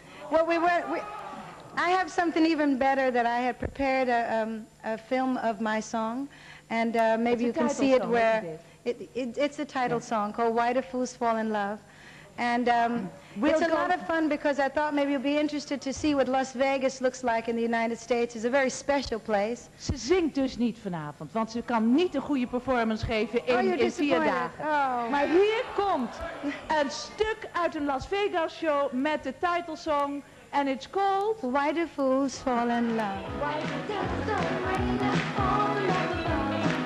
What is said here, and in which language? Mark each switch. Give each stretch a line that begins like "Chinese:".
English: Well, I have something even better that I had prepared, a film of my song, and maybe you can see it where it's a title song called Why Do Fools Fall in Love, and it's a lot of fun because I thought maybe you'd be interested to see what Las Vegas looks like in the United States. It's a very special place.
Dutch: Ze zingt dus niet vanavond, want ze kan niet een goede performance geven in 4 dagen. Oh. Maar hier komt een stuk uit een Las Vegas show met de title song.
English: And it's called Why Do Fools Fall in Love. Why do the so many that fall in love with love?